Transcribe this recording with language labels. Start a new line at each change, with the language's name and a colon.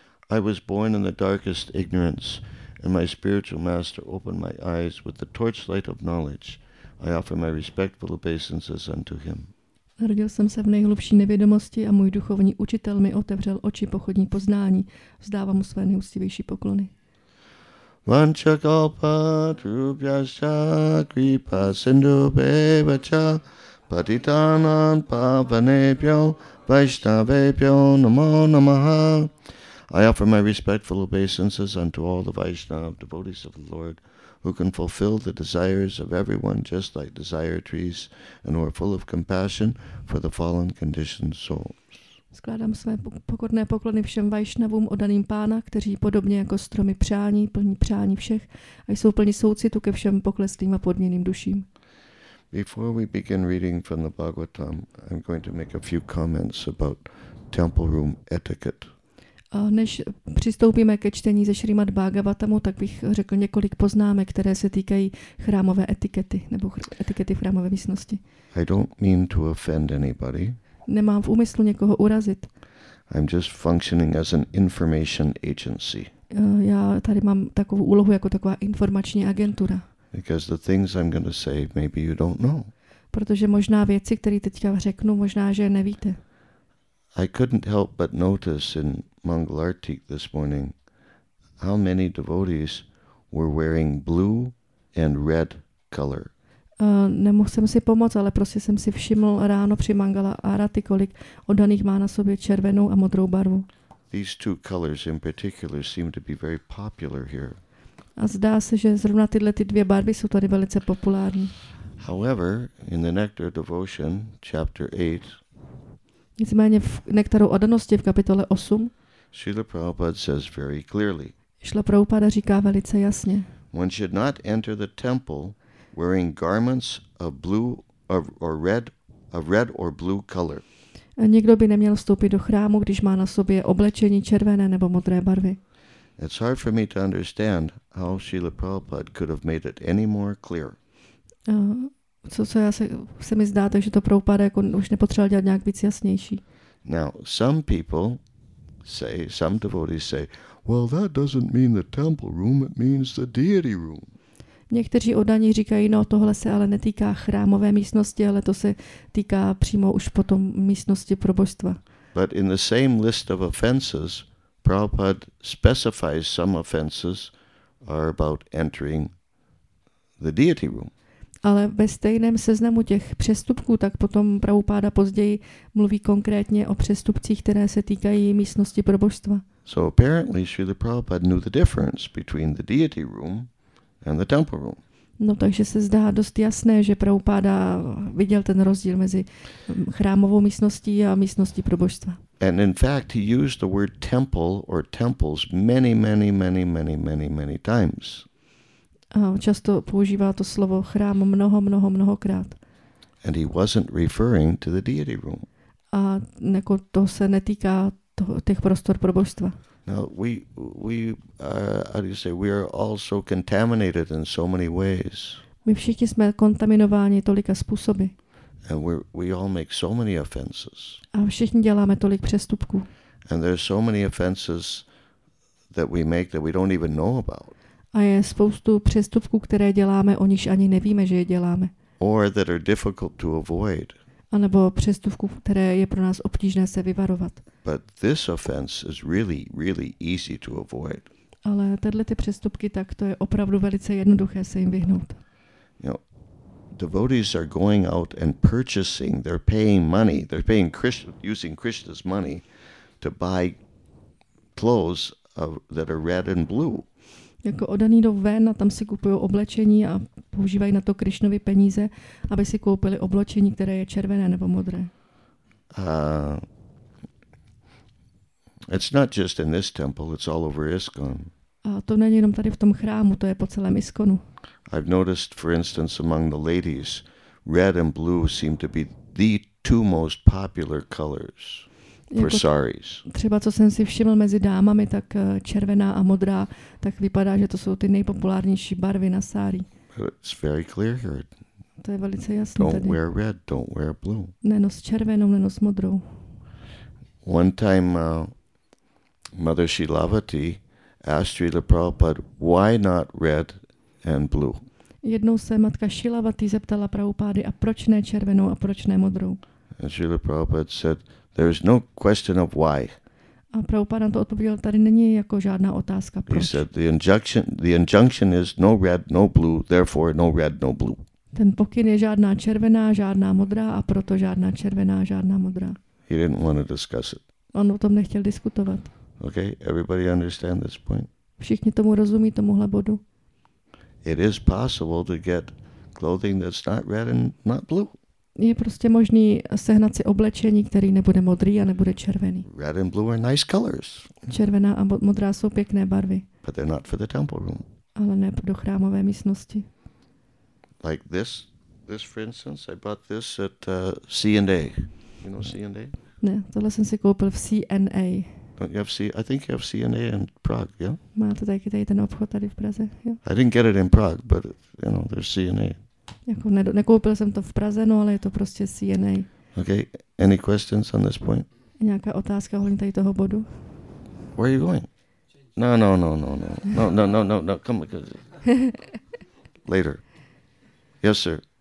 English: I was born in the darkest ignorance, and my spiritual master opened my eyes with the torchlight of knowledge. I offer my respectful obeisances unto him.
Czech: Narodil jsem se v nejhlubší nevědomosti a můj duchovní učitel mi otevřel oči pochodní poznání. Vzdávám mu své nejúctivější poklony.
Sanskrit: Vanchakalpa trubhyascha kripa sindhubheva cha patitanam pavanebhyo vaishnavebhyo namo namaha.
English: I offer my respectful obeisances unto all the Vaishnava devotees of the Lord who can fulfill the desires of everyone just like desire trees and who are full of compassion for the fallen conditioned souls.
Czech: Skládám své pokorné poklony všem Vaishnavům oddaným pána, kteří podobně jako stromy přání, plní přání všech a jsou plní soucitu ke všem pokleslým a podměným duším.
English: Before we begin reading from the Bhagavatam, I'm going to make a few comments about temple room etiquette.
Czech: Než přistoupíme ke čtení ze Šrýmad Bhagavatamu, tak bych řekl několik poznámek, které se týkají chrámové etikety nebo etikety v chrámové místnosti.
English: I don't mean to offend anybody.
Czech: Nemám v úmyslu někoho urazit.
English: I'm just functioning as an information agency.
Czech: Já tady mám takovou úlohu jako taková informační agentura.
English: Because the things I'm going to say, maybe you don't know.
Czech: Protože možná věci, které teďka řeknu, možná, že nevíte.
English: I couldn't help but notice in Mangalartik this morning how many devotees were wearing blue and red color.
Czech: Nemohl jsem si pomoct, ale prostě jsem si všiml ráno při Mangalarati, kolik oddaných má na sobě červenou a modrou barvu.
English: These two colors in particular seem to be very popular here.
Czech: A zdá se, že zrovna tyhle ty dvě barvy jsou tady velice populární.
English: However, in the Nectar Devotion, chapter 8,
Czech: nicméně v Nektaru oddanosti v kapitole 8
English: Srila Prabhupada says very clearly.
Czech: Srila Prabhupada říká velice jasně.
English: One should not enter the temple wearing garments of blue or red, of red or blue color.
Czech: Nikdo by neměl vstoupit do chrámu, když má na sobě oblečení červené nebo modré barvy.
English: It's hard for me to understand how Srila Prabhupada could have made it any more clear.
Czech: Co se mi zdá, takže to Prabhupada jako už nepotřeboval dělat nějak víc jasnější.
English: Now, some people say, some devotees say, well, that doesn't mean the temple room, it means the deity room.
Czech: Někteří oddaní říkají, no tohle se ale netýká chrámové místnosti, ale to se týká přímo už potom místnosti pro božstva.
English: But in the same list of offenses, Prabhupada specifies some offenses are about entering the deity room.
Czech: Ale ve stejném seznamu těch přestupků, tak potom Prabhupáda později mluví konkrétně o přestupcích, které se týkají místnosti pro božstva.
English: So apparently Srila Prabhupada knew the difference between the deity room and the temple room.
Czech: No takže se zdá dost jasné, že Prabhupáda viděl ten rozdíl mezi chrámovou místností a místností pro božstva.
English: And in fact he used the word temple or temples many times.
Czech: Často používá to slovo chrám mnohokrát.
English: And he wasn't referring to the deity room.
Czech: A jako to se netýká těch prostor pro božstva.
English: Now we are also contaminated in so many ways.
Czech: My všichni jsme kontaminováni tolika způsoby.
English: And we all make so many offenses.
Czech: A všichni děláme tolik přestupků.
English: And there are so many offenses that we make that we don't even know about.
Czech: A je spoustu přestupků, které děláme, o nichž ani nevíme, že je děláme.
English: Or that are difficult to avoid.
Czech: A nebo přestupků, které je pro nás obtížné se vyvarovat.
English: But this offense is really, really easy to avoid.
Czech: Ale tyhle ty přestupky, tak to je opravdu velice jednoduché se jim vyhnout.
English: You know, devotees are going out and purchasing, they're paying money, they're paying Krishna, using Krishna's money to buy clothes that are red and blue.
Czech: Jako oddaní jdou ven a tam si kupují oblečení a používají na to Krišnovy peníze, aby si koupili oblečení, které je červené nebo modré.
English: It's not just in this temple, it's all over ISKCON.
Czech: A to není jenom tady v tom chrámu, to je po celém ISKCONu.
English: I've noticed, for instance, among the ladies, red and blue seem to be the two most popular colors. for saris.
Czech: Třeba co jsem si všiml mezi dámami, tak červená a modrá, tak vypadá, že to jsou ty nejpopulárnější barvy na sári.
English: It's very clear here.
Czech: To je velice jasné.
English: Don't
Czech: tady.
English: Wear red, don't wear blue.
Czech: Nenos červenou, nenos modrou.
English: One time Mother Shilavati asked Srila Prabhupada, why not red and blue?
Czech: Jednou se matka Shilavati zeptala Prabhupády, a proč ne červenou a proč ne modrou?
English: And Srila Prabhupada said, there is no question of why.
Czech: A Prabhupáda to odpověděl, tady není jako žádná otázka proč.
English: He said, the injunction is no red, no blue, therefore no red, no blue.
Czech: Ten pokyn je žádná červená, žádná modrá, a proto žádná červená, žádná modrá.
English: He didn't want to discuss it.
Czech: On o tom nechtěl diskutovat.
English: Okay, everybody understand this point?
Czech: Všichni tomu rozumí, tomuhle bodu.
English: It is possible to get clothing that's not red and not blue.
Czech: Je prostě možný sehnat si oblečení, který nebude modrý a nebude červený.
English: Red and blue are nice colors.
Czech: Červená a modrá jsou pěkné barvy.
English: But they're not for the temple room.
Czech: Ale ne do chrámové místnosti.
English: Like this for instance, I bought this at C&A. You know C&A?
Czech: Ne, tohle jsem si koupil v C&A.
English: Don't you have I think you have C&A in Prague, yeah?
Czech: Máte taky tady ten obchod tady v Praze, jo?
English: I didn't get it in Prague, but you know, there's C&A.
Czech: Jako nekoupil jsem to v Praze, no ale je to prostě C&A.
English: Okay, any questions on this point?
Czech: Nějaká otázka ohledně tady toho bodu?
English: Where are you going? No, come on. Later. Yes, sir.